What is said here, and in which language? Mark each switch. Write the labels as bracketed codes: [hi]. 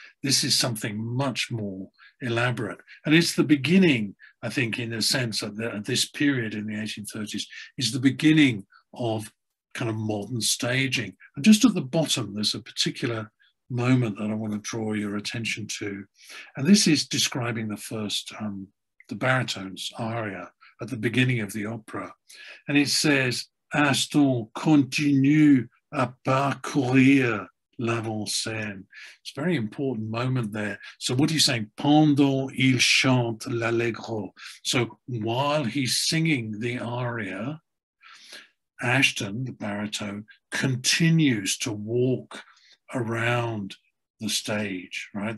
[en] This is something much more elaborate. And it's the beginning, I think, in a sense, at this period in the 1830s, is the beginning of kind of modern staging. And just at the bottom, there's a particular moment that I want to draw your attention to. And this is describing the first, the baritone's aria at the beginning of the opera. And it says, [fr] Aston continue à parcourir l'avant-scène. [en] It's a very important moment there. So what are you saying? [fr] Pendant il chante l'allegro. [en] So while he's singing the aria, Ashton, the baritone, continues to walk around the stage, right?